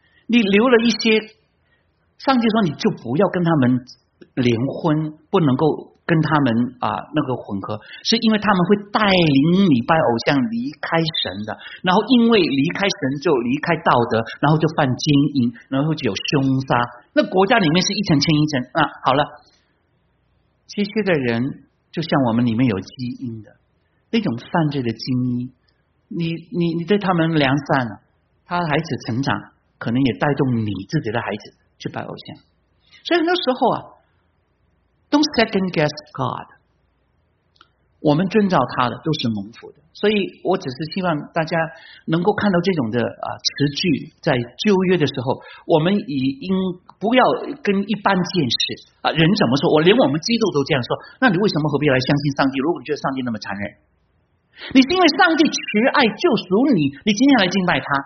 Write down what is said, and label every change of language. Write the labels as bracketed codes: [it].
[zh] 你留了一些，上帝说你就不要跟他们联婚，不能够跟他们那个混合，是因为他们会带领你拜偶像离开神的，然后因为离开神就离开道德，然后就犯奸淫，然后就有凶杀，那国家里面是一层牵一层啊。好了，这些的人就像我们里面有基因的那种犯罪的基因，你对他们良善他孩子成长可能也带动你自己的孩子去拜偶像。所以很多时候啊， [en] Don't second guess God. [zh] 我们遵照他的都是蒙福的。所以我只是希望大家能够看到这种的词句，在旧约的时候我们已经不要跟一般见识啊，人怎么说，我连我们基督都这样说，那你为什么何必来相信上帝？如果你觉得上帝那么残忍，你是因为上帝慈爱救赎你，你今天来敬拜他。